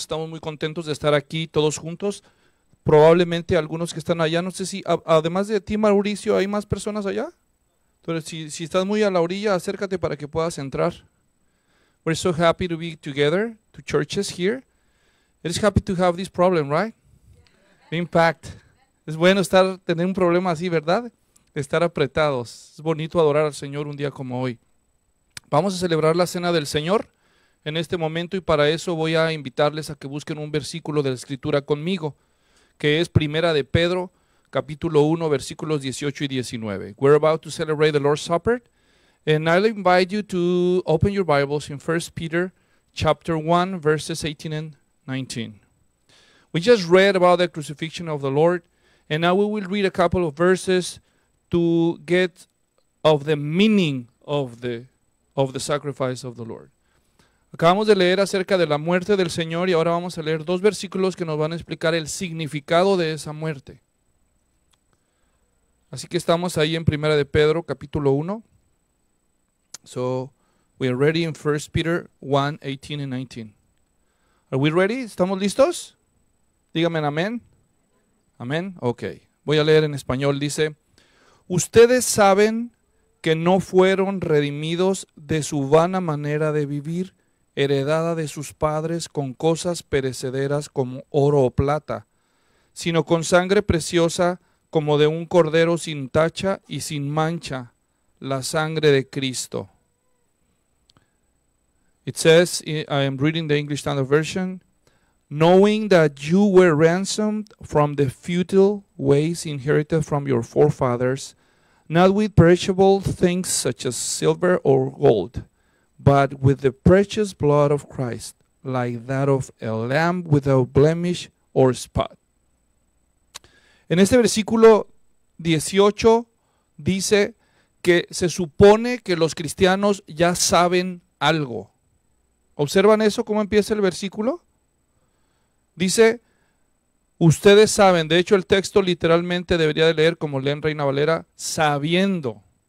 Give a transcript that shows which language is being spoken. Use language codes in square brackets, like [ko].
[es] Estamos muy contentos de estar aquí todos juntos. Probablemente algunos que están allá, no sé si, además de ti, Mauricio, ¿hay más personas allá? Entonces, si estás muy a la orilla, acércate para que puedas entrar. [en] We're so happy to be together, to churches here. It's happy to have this problem, right? Impact. [es] Es bueno tener un problema así, ¿verdad? Estar apretados. Es bonito adorar al Señor un día como hoy. Vamos a celebrar la cena del Señor en este momento, y para eso voy a invitarles a que busquen un versículo de la Escritura conmigo, que es Primera de Pedro, capítulo 1, versículos 18 y 19. [en] We're about to celebrate the Lord's Supper, and I'll invite you to open your Bibles in 1 Peter, chapter 1, verses 18 and 19. We just read about the crucifixion of the Lord, and now we will read a couple of verses to get of the meaning of the sacrifice of the Lord. [es] Acabamos de leer acerca de la muerte del Señor y ahora vamos a leer dos versículos que nos van a explicar el significado de esa muerte. Así que estamos ahí en Primera de Pedro, capítulo 1. [en] So, we are ready in 1 Peter 1, 18 and 19. Are we ready? [es] ¿Estamos listos? Dígame amén. Amén. Ok. Voy a leer en español. Dice, ustedes saben que no fueron redimidos de su vana manera de vivir, heredada de sus padres con cosas perecederas como oro o plata, sino con sangre preciosa como de un cordero sin tacha y sin mancha, la sangre de Cristo. [en] It says, I am reading the English Standard Version, knowing that you were ransomed from the futile ways inherited from your forefathers, not with perishable things such as silver or gold, but with the precious blood of Christ, like that of a lamb without blemish or spot. [es] En este versículo 18 dice que se supone que los cristianos ya saben algo. ¿Observan eso cómo empieza el versículo? Dice, Ustedes saben, de hecho el texto literalmente debería de leer como leen Reina Valera, sabiendo.